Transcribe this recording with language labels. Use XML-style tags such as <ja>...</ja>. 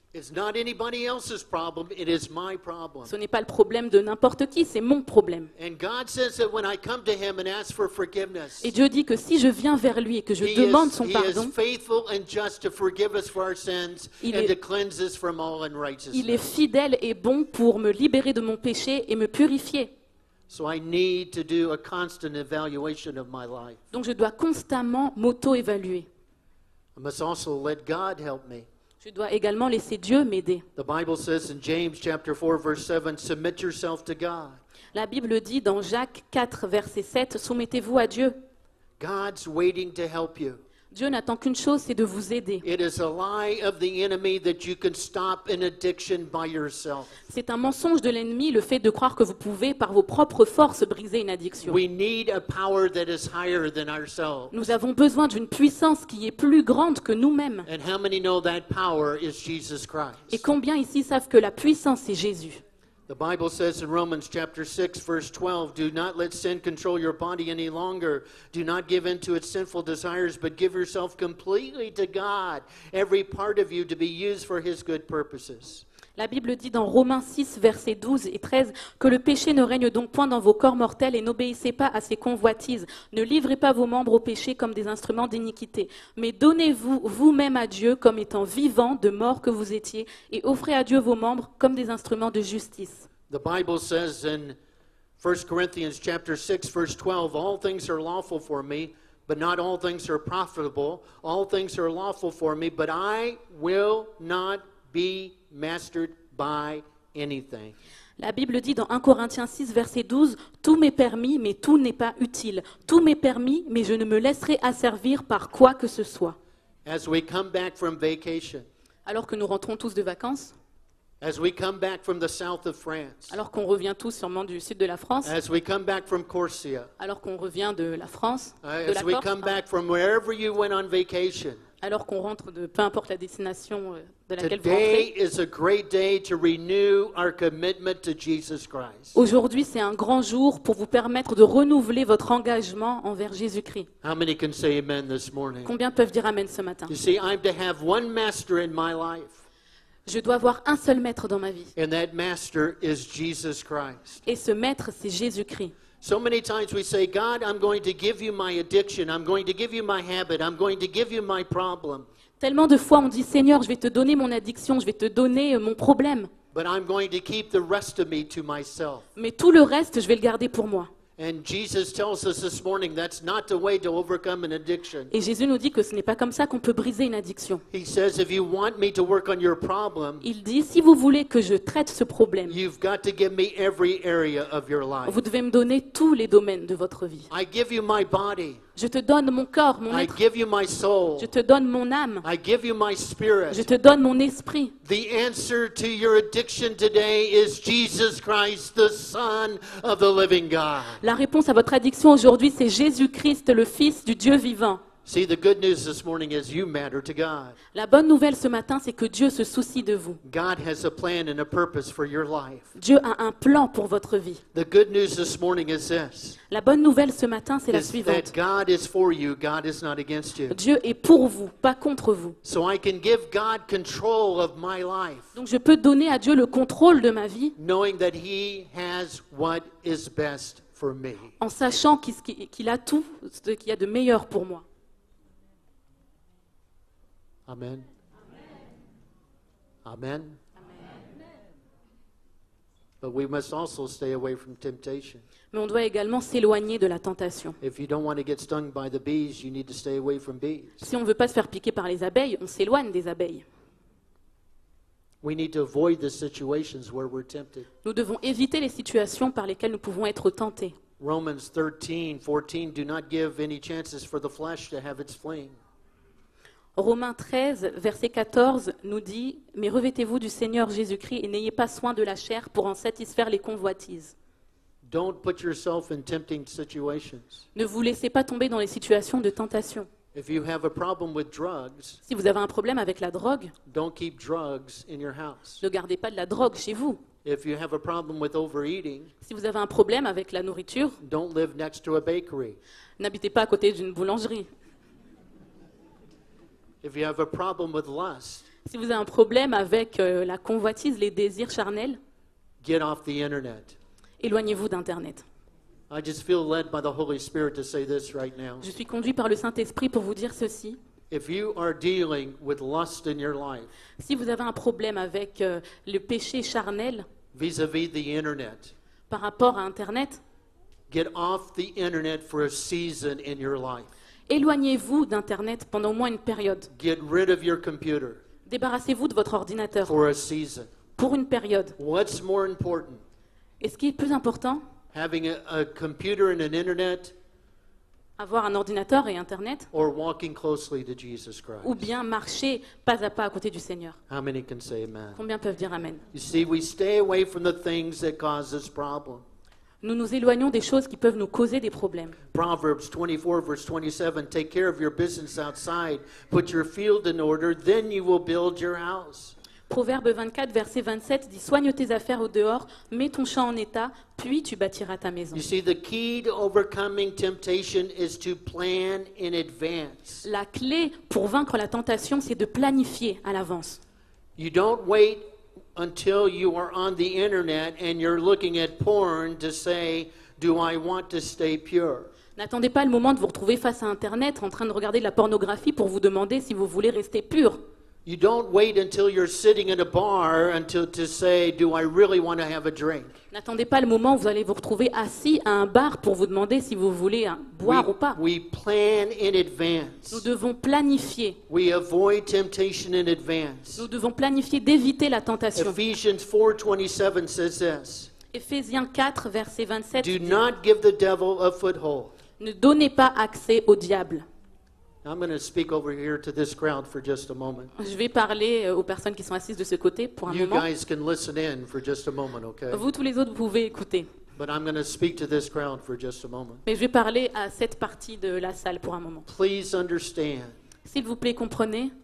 <en>It's not anybody else's problem, it is my problem.</en> <fr>Ce n'est pas le problème de n'importe qui, c'est mon problème.</fr> <en>And God says that when I come to him and ask for forgiveness.</en> <fr>Et Dieu dit que si je viens vers lui et que je demande son pardon,</fr> <en>he is faithful and just to forgive us for our sins and to cleanse us from all unrighteousness.</en> <fr>Il est fidèle et bon pour me libérer de mon péché et me purifier.</fr> <en>So I need to do a constant evaluation of my life.</en> <fr>Donc je dois constamment m'auto-évaluer.</fr> <en>I must also let God help me.</en> <fr>Je dois également laisser Dieu m'aider.</fr> <en>The Bible says in James chapter 4 verse 7, submit yourself to God.</en> <fr>La Bible dit dans Jacques 4 verset 7, soumettez-vous à Dieu.</fr> <en>God's waiting to help you.</en> <fr>Dieu n'attend qu'une chose, c'est de vous aider.</fr> <en>It is a lie of the enemy that you can stop an addiction by yourself.</en> <fr>C'est un mensonge de l'ennemi le fait de croire que vous pouvez par vos propres forces briser une addiction.</fr> <en>We need a power that is higher than ourselves.</en> <fr>Nous avons besoin d'une puissance qui est plus grande que nous-mêmes.</fr> <en>And how many know that power is Jesus Christ?</en> <fr>Et combien ici savent que la puissance est Jésus?</fr> <en>The Bible says in Romans chapter 6 verse 12, do not let sin control your body any longer. Do not give in to its sinful desires, but give yourself completely to God, every part of you to be used for his good purposes.</en> <fr>La Bible dit dans Romains 6 verset 12 et 13 que le péché ne règne donc point dans vos corps mortels et n'obéissez pas à ses convoitises. Ne livrez pas vos membres au péché comme des instruments d'iniquité, mais donnez-vous vous-même à Dieu comme étant vivant de mort que vous étiez et offrez à Dieu vos membres comme des instruments de justice.</fr> <en>The Bible says in 1 Corinthians chapter 6 verse 12, all things are lawful for me, but not all things are profitable. All things are lawful for me, but I will not be mastered by anything.</en> <fr>La Bible dit dans 1 Corinthiens 6 verset 12, tout m'est permis mais tout n'est pas utile. Tout m'est permis mais je ne me laisserai asservir par quoi que ce soit.</fr> <en>As we come back from vacation.</en> <fr>Alors que nous rentrons tous de vacances.</fr> <en>As we come back from the south of France.</en> <fr>Alors qu'on revient tous sûrement du sud de la France.</fr> <en>As we come back from Corsica.</en> <fr>Alors qu'on revient de la France.</fr> <en>As we come back from wherever you went on vacation.</en> <fr>Alors qu'on rentre de peu importe la destination de laquelle</fr> <en>today</en> <fr>vous rentrez.</fr> <en>Is a great day to renew our commitment to Jesus Christ.</en> <fr>Aujourd'hui, c'est un grand jour pour vous permettre de renouveler votre engagement envers Jésus-Christ.</fr> <en>How many can say amen this morning?</en> <fr>Combien peuvent dire amen ce matin?</fr> <en>You see, I'm to have one master in my life.</en> <fr>Je dois avoir un seul maître dans ma vie.</fr> <en>And that master is Jesus Christ.</en> <fr>Et ce maître, c'est Jésus-Christ.</fr> <en>So many times we say, God, I'm going to give you my addiction, I'm going to give you my habit, I'm going to give you my problem.</en> <fr>Tellement de fois on dit, Seigneur, je vais te donner mon addiction, je vais te donner mon problème.</fr> <en>But I'm going to keep the rest of me to myself.</en> <fr>Mais tout le reste, je vais le garder pour moi.</fr> <en>And Jesus tells us this morning that's not the way to overcome an addiction.</en> <fr>Et Jésus nous dit que ce n'est pas comme ça qu'on peut briser une addiction.</fr> <en>He says if you want me to work on your problem.</en> <fr>Il dit si vous voulez que je traite ce problème.</fr> <en>You've got to give me every area of your life.</en> <fr>Vous devez me donner tous les domaines de votre vie.</fr> <en>I give you my body.</en> <fr>Je te donne mon corps, mon être.</fr> <en>I give you my soul.</en> <fr>Je te donne mon âme.</fr> <en>I give you my spirit.</en> <fr>Je te donne mon esprit.</fr> <en>The answer to your addiction today is Jesus Christ, the Son of the living God.</en> <fr>La réponse à votre addiction aujourd'hui, c'est Jésus-Christ, le Fils du Dieu vivant.</fr> <en>See, the good news this morning is you matter to God.</en> <fr>La bonne nouvelle ce matin, c'est que Dieu se soucie de vous.</fr> <en>God has a plan and a purpose for your life.</en> <fr>Dieu a un plan pour votre vie.</fr> <en>The good news this morning is this.</en> <fr>La bonne nouvelle ce matin, c'est la suivante.</fr> <en>That God is for you, God is not against you.</en> <fr>Dieu est pour vous, pas contre vous.</fr> <en>So I can give God control of my life.</en> <fr>Donc je peux donner à Dieu le contrôle de ma vie.</fr> <en>Knowing that he has what is best for me.</en> <fr>En sachant qu'il a tout ce qu'il y a de meilleur pour moi.</fr> <en>Amen.</en> <fr>Amen. Amen. Amen.</fr> <en>But we must also stay away from temptation.</en> <fr>Mais on doit également s'éloigner de la tentation.</fr> <en>If you don't want to get stung by the bees, you need to stay away from bees.</en> <fr>Si on veut pas se faire piquer par les abeilles, on s'éloigne des abeilles.</fr> <en>We need to avoid the situations where we're tempted.</en> <fr>Nous devons éviter les situations par lesquelles nous pouvons être tentés.</fr> <en>Romans 13, 14, do not give any chances for the flesh to have its fling.</en> <fr>Romains 13, verset 14, nous dit « Mais revêtez-vous du Seigneur Jésus-Christ et n'ayez pas soin de la chair pour en satisfaire les convoitises. »</fr> <en>Don't put yourself in tempting situations.</en> <fr>Ne vous laissez pas tomber dans les situations de tentation.</fr> <en>If you have a problem with drugs,</en> <fr>si vous avez un problème avec la drogue,</fr> <en>don't keep drugs in your house.</en> <fr>Ne gardez pas de la drogue chez vous.</fr> <en>If you have a problem with overeating,</en> <fr>si vous avez un problème avec la nourriture,</fr> <en>don't live next to a bakery.</en> <fr>N'habitez pas à côté d'une boulangerie.</fr> <en>If you have a problem with lust,</en> <fr>si vous avez un problème avec la convoitise, les désirs charnels,</fr> <en>get off the internet.</en> <fr>Éloignez-vous d'Internet.</fr> <en>I just feel led by the Holy Spirit to say this right now.</en> <fr>Je suis conduit par le Saint-Esprit pour vous dire ceci.</fr> <en>If you are dealing with lust in your life,</en> <fr>si vous avez un problème avec le péché charnel,</fr> <en>vis-à-vis the internet,</en> <fr>par rapport à Internet,</fr> <en>get off the internet for a season in your life.</en> <fr>Éloignez-vous d'Internet pendant au moins une période.</fr> <en>Get rid of your computer.</en> <fr>Débarrassez-vous de votre ordinateur.</fr> <en>For a season.</en> <fr>Pour une période.</fr> <en>What's more important?</en> <fr>Est-ce qui est plus important?</fr> <en>Having a computer and an internet.</en> <fr>Avoir un ordinateur et Internet.</fr> <en>Or walking closely to Jesus Christ.</en> <fr>Ou bien marcher pas à pas à côté du Seigneur.</fr> <en>How many can say amen?</en> <fr>Combien peuvent dire amen?</fr> <en>You see, we stay away from the things that cause us problems.</en> <fr>Nous nous éloignons des choses qui peuvent nous causer des problèmes.</fr> <en>Proverbs 24, verse 27, take care of your business outside, put your field in order, then you will build your house.</en> <fr>Proverbe 24, verset 27, dit « Soigne tes affaires au dehors, mets ton champ en état, puis tu bâtiras ta maison. »</fr> <en>You see, the key to overcoming temptation is to plan in advance.</en> <fr>La clé pour vaincre la tentation, c'est de planifier à l'avance.</fr> <en>You don't wait until you are on the internet and you're looking at porn to say, do I want to stay pure?</en> <fr>N'attendez pas le moment de vous retrouver face à Internet en train de regarder de la pornographie pour vous demander si vous voulez rester pur.</fr> <en>You don't wait until you're sitting in a bar until to say, do I really want to have a drink?</en> <fr>N'attendez pas le moment où vous allez vous retrouver assis à un bar pour vous demander si vous voulez boire ou pas.</fr> <en>We plan in advance.</en> <fr>Nous devons planifier.</fr> <en>We avoid temptation in advance.</en> <fr>Nous devons planifier d'éviter la tentation.</fr> <en>Ephesians 4, 27 says this.</en> <fr>Ephésiens 4, verset 27 dit,</fr> <en>do not give the devil a foothold.</en> <fr>Ne donnez pas accès au diable.</fr> <en>I'm going to speak over here to this crowd for just a moment.</en> <fr>Je vais parler aux personnes qui sont assises de ce côté pour un you moment.</fr> <en>You guys can listen in for just a moment, okay?</en> <fr>Vous tous les autres pouvez écouter.</fr> <en>But I'm going to speak to this crowd for just a moment.</en> <fr>Mais je vais parler à cette partie de la salle pour un moment.</fr> <en>Please understand.</en> <fr>S'il vous plaît, comprenez.</fr>